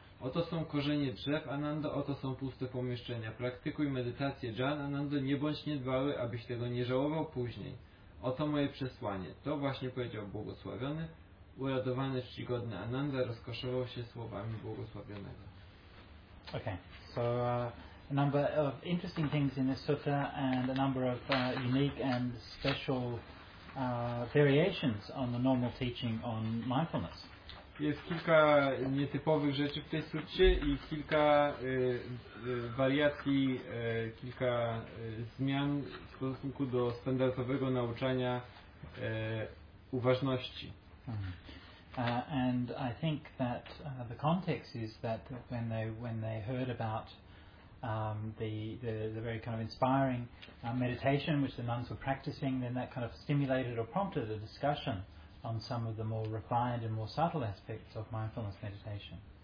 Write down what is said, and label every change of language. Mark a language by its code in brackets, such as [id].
[pl] Oto są korzenie drzew, Anando, oto są puste pomieszczenia. Praktykuj medytację, Jan, Anando, nie bądź niedbały, abyś tego nie żałował później. Oto moje przesłanie. To właśnie powiedział błogosławiony, uradowany, czcigodny Ananda, rozkoszował się słowami błogosławionego. [en] Okay, so a number of interesting things in this sutta and a number of unique and special variations on the normal teaching on mindfulness. [pl] Jest kilka nietypowych rzeczy w tej sutcie i kilka wariacji, kilka zmian w stosunku do standardowego nauczania uważności. Mm-hmm. [en] And I think that the context is that when they heard about the very kind of inspiring meditation which the nuns were practicing, then that kind of stimulated or prompted a discussion on some of the more refined and more subtle aspects of mindfulness meditation.